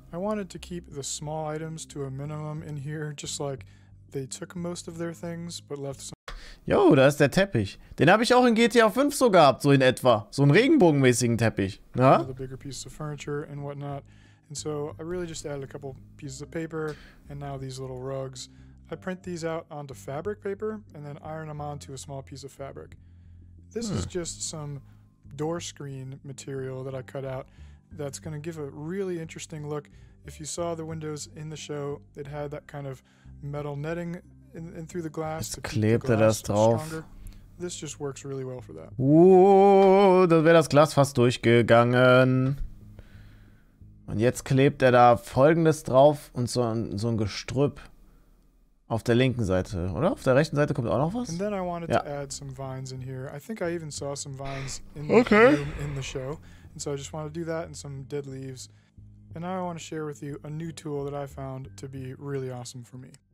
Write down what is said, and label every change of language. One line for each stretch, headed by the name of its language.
English: I wanted to keep the small items to a minimum in here, just like they took most of their things, but left some.
German: Yo, da ist der Teppich. Den habe ich auch in GTA 5 so gehabt, so in etwa. So einen regenbogenmäßigen Teppich. Ja?
English: The bigger pieces of furniture and whatnot. And so I really just added a couple pieces of paper and now these little rugs. I print these out onto fabric paper and then iron them onto a small piece of fabric. This is just some door screen material that I cut out that's going to give a really interesting look. If you saw the windows in the show, it had that kind of metal netting in through the glass.
German: Jetzt klebt er das drauf.
English: This just works really well for that.
German: Da wäre das Glas fast durchgegangen. Und jetzt klebt er da Folgendes drauf und so ein Gestrüpp auf der linken Seite, oder? Auf der rechten Seite kommt auch noch was?
English: And then I wanted to add some vines in here. I think I even saw some vines in the room in the show. And so I just wanted to do that and some dead leaves. And now I want to share with you a new tool that I found to be really awesome for me.